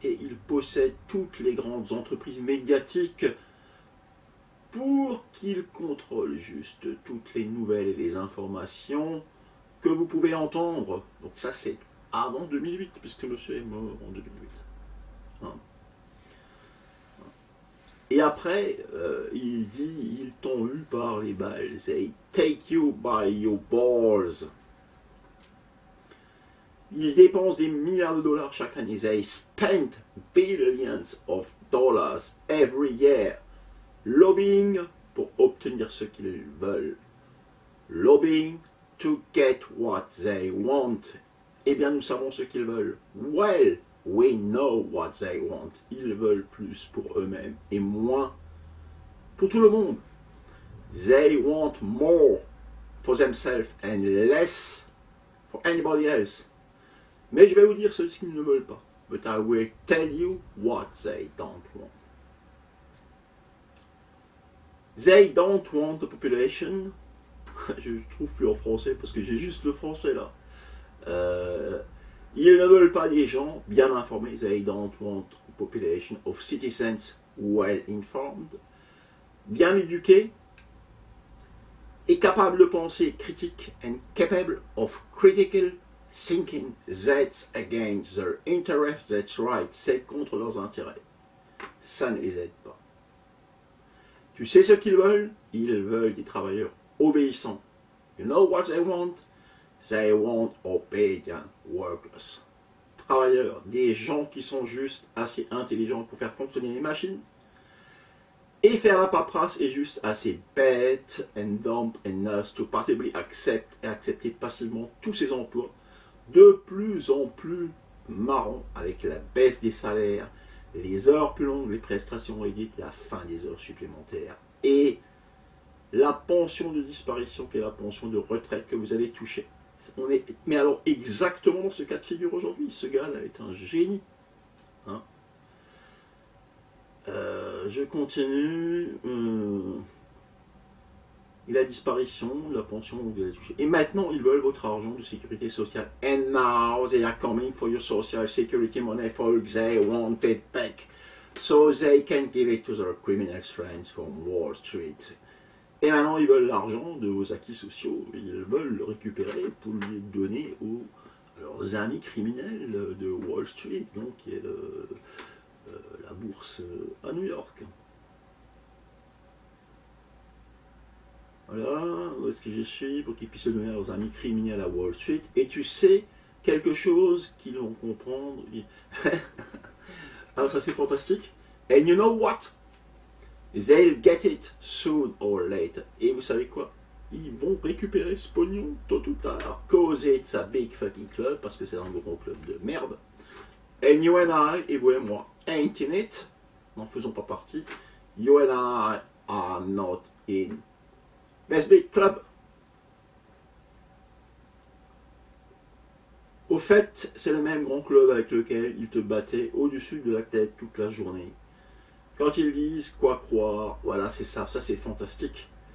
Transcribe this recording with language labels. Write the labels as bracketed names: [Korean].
[French] Et ils possèdent toutes les grandes entreprises médiatiques pour qu'ils contrôlent juste toutes les nouvelles et les informations que vous pouvez entendre. Donc ça, c'est avant 2008, puisque monsieur est mort en 2008. Et après, il dit, ils t'ont eu par les balles. [English] They take you by your balls. [French] Ils dépensent des milliards de dollars chaque année. [English] They spend billions of dollars every year. [French] Lobbying pour obtenir ce qu'ils veulent. [English] Lobbying to get what they want. [French] Eh bien, nous savons ce qu'ils veulent. [English] Well, we know what they want. [French] Ils veulent plus pour eux-mêmes et moins pour tout le monde. [English] They want more for themselves and less for anybody else. [French] Mais je vais vous dire ce qu'ils ne veulent pas. [English] But I will tell you what they don't want. They don't want the population. [French] Je ne trouve plus en français parce que j'ai juste le français là. Ils ne veulent pas des gens bien informés. [English] They don't want a population of citizens well informed, [French] bien éduqués et capables de penser critique [English] and capable of critical thinking. That's against their interest. That's right. [French] C'est contre leurs intérêts. Ça ne les aide pas. Tu sais ce qu'ils veulent? Ils veulent des travailleurs obéissants. [English] You know what they want? They want obedient workers. [French] Travailleurs, des gens qui sont juste assez intelligents pour faire fonctionner les machines et faire la paperasse et juste assez bête [English] and dumb and us to possibly accept [French] et accepter passivement tous ces emplois de plus en plus marrons avec la baisse des salaires, les heures plus longues, les prestations réduites, la fin des heures supplémentaires et la pension de disparition qui est la pension de retraite que vous allez toucher. On est, mais alors, exactement ce cas de figure aujourd'hui, ce gars-là est un génie. Hein? Je continue. La disparition, la pension, vous allez toucher. Et maintenant, ils veulent votre argent de sécurité sociale. [English] And now they are coming for your social security money, folks. They want it back. So they can give it to their criminal friends from Wall Street. [French] Et maintenant, ils veulent l'argent de vos acquis sociaux. Ils veulent le récupérer pour le donner aux leurs amis criminels de Wall Street, donc qui est la bourse à New York. Voilà, où est-ce que je suis pour qu'ils puissent le donner à leurs amis criminels à Wall Street. Et tu sais quelque chose qu'ils vont comprendre. Alors ça, c'est fantastique. [English] And you know what? They'll get it soon or later. [French] Et vous savez quoi? Ils vont récupérer ce pognon tôt ou tard. [English] Cause it's a big fucking club, [French] parce que c'est un gros club de merde. [English] And you and I, [French] et vous et moi, [English] ain't in it. [French] N'en faisons pas partie. [English] You and I are not in this big club. [French] Au fait, c'est le même grand club avec lequel ils te battaient au-dessus de la tête toute la journée. Quand ils disent quoi croire, voilà, c'est ça, ça c'est fantastique.